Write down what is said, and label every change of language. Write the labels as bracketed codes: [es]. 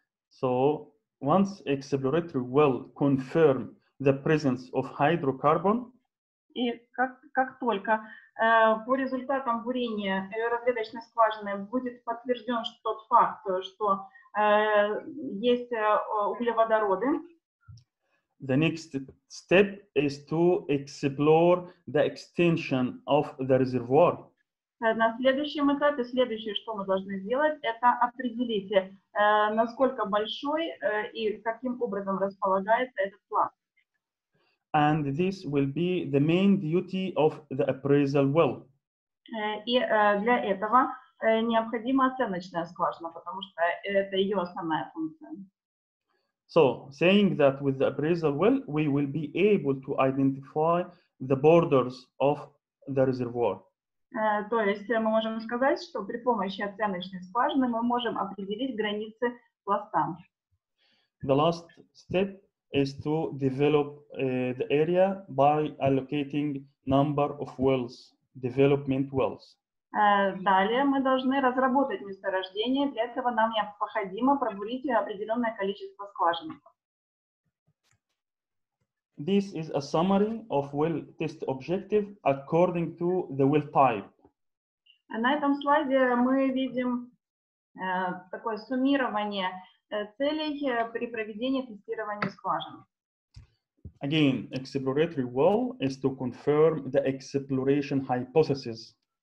[en] So, once exploratory well confirm the presence of hydrocarbon, [ru] и как только по результатам бурения разведочной скважины будет подтвержден тот факт, что есть углеводороды. [en] The next step is to explore the extension of the reservoir. [ru] На следующем этапе, следующее, что мы должны сделать, это определить, насколько большой и каким образом располагается этот пласт. [en] And this will be the main duty of the appraisal well. [ru] И для этого необходима оценочная скважина, потому что это ее основная функция. [en] So, saying that with the appraisal well, we will be able to identify the borders of the reservoir. [ru] То есть мы можем сказать, что при помощи оценочной скважины мы можем определить границы пласта. [en] The last step is to develop the area by allocating number of wells, development wells. [ru] Далее мы должны разработать месторождение. Для этого нам необходимо пробурить определенное количество скважин. [en] This is a summary of well test objective according to the well type. [ru] На этом слайде мы видим такое суммирование целей при проведении тестирования скважин. [en] Again, exploratory well is to confirm the exploration hypothesis.